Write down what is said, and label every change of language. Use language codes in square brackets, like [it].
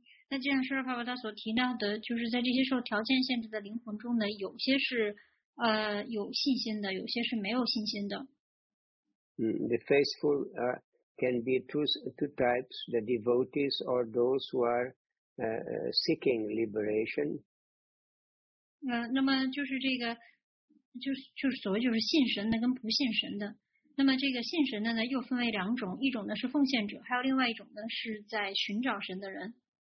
[zh] 那既然舍拉帕巴他所提到的，就是在这些受条件限制的灵魂中呢，有些是有信心的，有些是没有信心的。 [en] The faithful can be two types, the devotees or those who are seeking liberation. [zh] 那么就是这个就是所谓就是信神的跟不信神的。那么这个信神的呢又分为两种，一种呢是奉献者，还有另外一种呢是在寻找神的人。